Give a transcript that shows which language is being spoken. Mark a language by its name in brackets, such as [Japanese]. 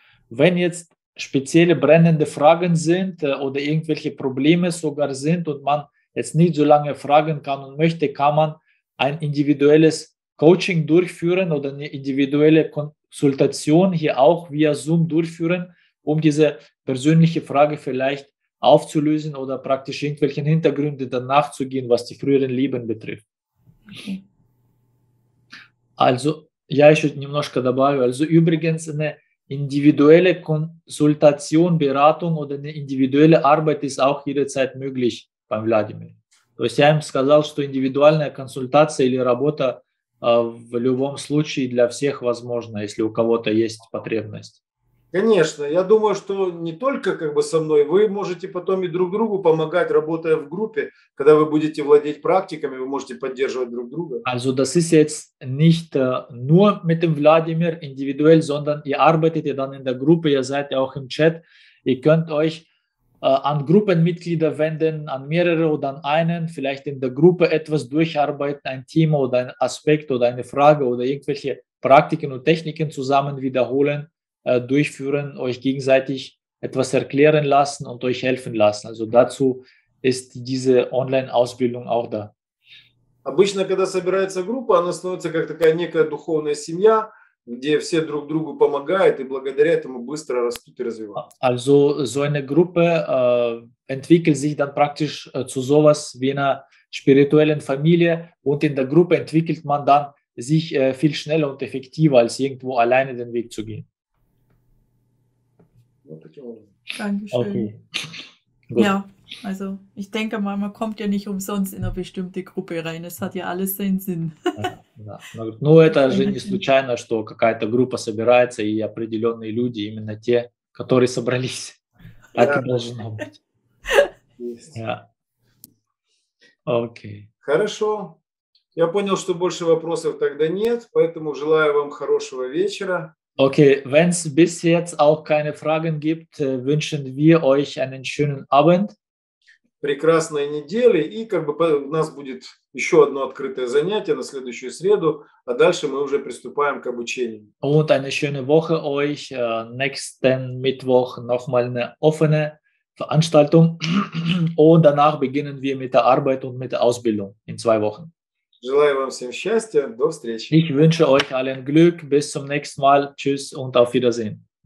[German] Wenn jetzt spezielle brennende Fragen sind oder irgendwelche Probleme sogar sind und man jetzt nicht so lange fragen kann und möchte, kann man ein individuelles Coaching durchführen oder eine individuelle Konsultation hier auch via Zoom durchführen, um diese persönliche Frage vielleicht aufzulösen oder praktisch irgendwelchen Hintergründen danach zu gehen, was die früheren Leben betrifft. Okay. Also ja, ich würde [Russian] немножко добавлю. [German] Also übrigens eine individuelle Konsultation, Beratung oder eine individuelle Arbeit ist auch jederzeit möglich beim Vladimir. [Russian] То есть я им сказал, что индивидуальная консультация или работа в любом случае для всех возможна, если у кого-то есть потребность. Конечно, я думаю, что не только как бы со мной, вы можете потом и друг другу помогать, работая в группе, когда вы будете владеть практиками, вы можете поддерживать друг друга. [German] Also das ist jetzt nicht nur mit dem Wladimir individuell, sondern ihr arbeitet ja dann in der Gruppe, ihr seid ja auch im Chat. Ihr könnt euch an Gruppenmitglieder wenden, an mehrere oder an einen, vielleicht in der Gruppe etwas durcharbeiten, ein Thema oder ein Aspekt oder eine Frage oder irgendwelche Praktiken und Techniken zusammen wiederholen, durchführen, euch gegenseitig etwas erklären lassen und euch helfen lassen. Also dazu ist diese Online-Ausbildung auch da. [Russian] Обычно, когда собирается группа, она становится как такая некая духовная семья, где все друг другу помогают и благодаря этому быстро растут и развиваются. [German] Also, so eine Gruppe entwickelt sich dann praktisch zu sowas wie einer spirituellen Familie und in der Gruppe entwickelt man dann sich viel schneller und effektiver, als irgendwo alleine den Weg zu gehen. Dankeschön. Okay, gut. Ja. Also, ich denke mal, man kommt ja nicht umsonst in eine bestimmte Gruppe rein. Es hat ja alles seinen Sinn. Ja. [Russian] Ну, [German] Ich [Russian] это же [German] denke. [Russian] не случайно, что какая-то группа собирается, и определенные люди, именно те, которые собрались. Так и Да. должно быть. Есть. Да. Окей. Хорошо. Я понял, что больше вопросов тогда нет, поэтому желаю вам хорошего вечера. [German] Окей, wenn es bis jetzt auch keine Fragen gibt, wünschen wir euch einen schönen Abend. [Russian] Прекрасной недели, и как бы у нас будет еще одно открытое занятие на следующую среду, а дальше мы уже приступаем к обучению. [German] Und eine schöne Woche euch. Nächsten Mittwoch nochmal eine offene Veranstaltung. Und danach beginnen wir mit der Arbeit und mit der Ausbildung in 2 Wochen. [Russian] Желаю вам всем счастья, до встречи. [German] Ich wünsche euch allen Glück. Bis zum nächsten Mal. Tschüss und auf Wiedersehen.